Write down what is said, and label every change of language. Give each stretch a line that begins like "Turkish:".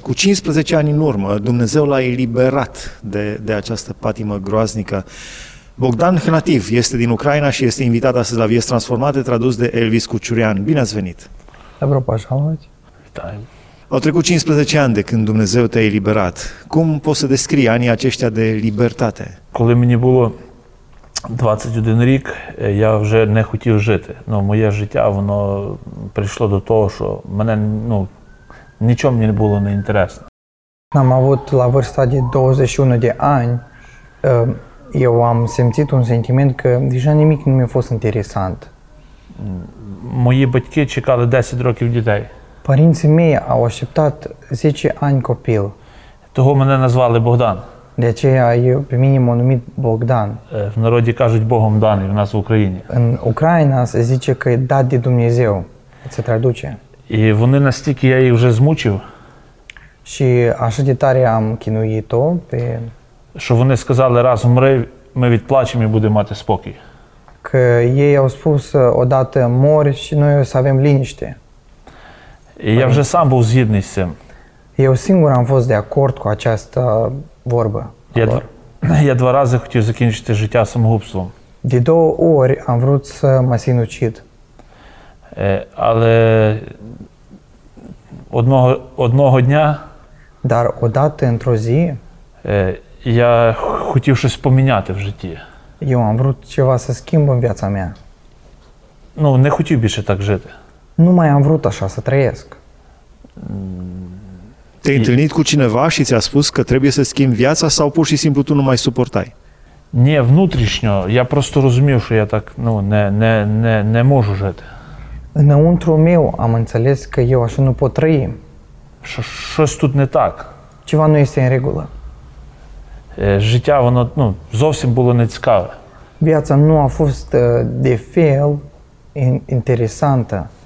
Romanian: Cu 15 ani în urmă, Dumnezeu l-a eliberat de această patimă groaznică. Bogdan Hnativ este din Ucraina și este invitat astăzi la Vieți transformate, tradus de Elvis Cuciurean. Bine ați venit! Au trecut 15 ani de când Dumnezeu te-a eliberat. Cum poți să descrii anii aceștia de libertate?
Ukrainian: Коли мені було 21 рік, я вже не хотів жити. Ну, моє життя, воно прийшло до того, що мене, ну, нічого мені було не інтересно.
Romanian: Am avut la vârsta de 21 de ani, eu am simțit un sentiment că deja nimic nu mi-a fost interesant.
Ukrainian: Мої батьки чекали 10 років дітей.
Romanian: Părinții mei au așteptat 10 ani copil.
Ukrainian: Того мене назвали Богдан.
Romanian: De aceea eu pe mine m-a numit Bogdan.
Ukrainian: В народі кажуть Богом даний, в нас в Україні.
Romanian: În Ucraina se zice că e dat de Dumnezeu. Se traduce.
Ukrainian: І вони настільки я їх вже змучив.
Romanian: Și așa de tare am chinuit-o pe...
Ukrainian: Що вони сказали, раз умри, ми відплачемо і будемо мати спокій.
Romanian: Că ei au spus, odată mori și noi o să avem liniște.
Ukrainian: І я вже сам був згідний з цим.
Romanian: Eu singur am fost de acord cu această vorbă.
Ukrainian: Я два рази хотів закінчити життя самогубством.
Romanian: De două ori am vrut să mă sinucid.
Ukrainian: Але одного дня...
Romanian: Dar odată, într-o zi...
Ukrainian: Я хотів щось поміняти в житті.
Romanian: Eu am vrut ceva să schimb în viața mea.
Ukrainian: Ну, не хотів більше так жити.
Romanian: Nu mai am vrut așa să trăiesc. Te-ai întâlnit cu cineva și ți-a spus că trebuie să schimbi viața sau pur și simplu tu nu mai suportai?
Ukrainian: Не, внутрішньо, я просто розумів, що я так, ну, не можу жити.
Romanian: Înăuntru meu am înțeles că eu așa nu pot trăi.
Ukrainian: Щось тут не так.
Romanian: Ceva nu este în regulă.
Ukrainian: Життя, воно, ну, зовсім було не цікаве.
Romanian: Viața nu a fost de fel interesantă.